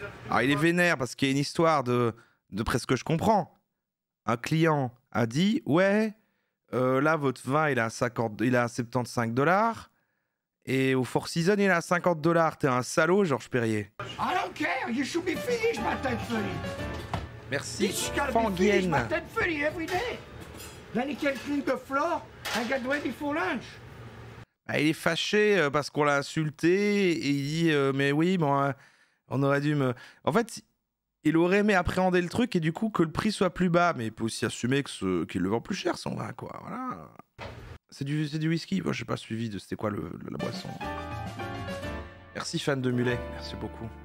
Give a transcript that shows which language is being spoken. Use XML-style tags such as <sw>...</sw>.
<fr>Ah, il est vénère parce qu'il y a une histoire de presque que je comprends. Un client a dit, ouais, là, votre vin, il est à, 50... il est à $75. Et au Four Seasons, il est à $50. T'es un salaud, Georges Perrier.</fr> <en>I don't care. You should be finished, my</en> <fr>tête folle. Merci, Fangienne.</fr> <en>You should be finished, my</en> <fr>tête folle,</fr> <en>every day. Then he can clean the floor and get ready for lunch.</en> <fr>Ah, il est fâché parce qu'on l'a insulté et il dit mais oui, bon, on aurait dû me... En fait, il aurait aimé appréhender le truc et du coup que le prix soit plus bas. Mais il peut aussi assumer que qu'il le vend plus cher, son vin, quoi. Voilà. C'est du whisky. Moi, j'ai pas suivi de c'était quoi la boisson. Merci, fan de Mulet. Merci beaucoup.</fr>